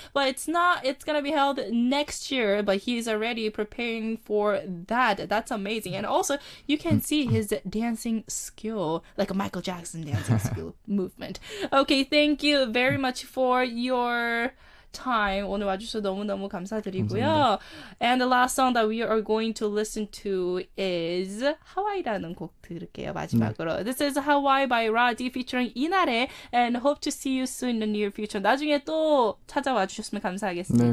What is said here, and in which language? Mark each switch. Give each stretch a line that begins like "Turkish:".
English: But it's not, it's gonna be held next year. But he is already preparing for that. That's amazing. And also, you can see his dancing skill, like a Michael Jackson dancing skill movement. Okay, thank you very much for your time.
Korean: 오늘 와주셔서 너무너무 감사드리고요. 감사합니다.
English: And the last song that we are going to listen to is Hawaii라는
Korean: 곡 들을게요. 마지막으로.
English: 네. This is Hawaii by Ra.D featuring 이날에 and hope to see you soon in the near future.
Korean: 나중에 또 찾아와 주셨으면 감사하겠습니다.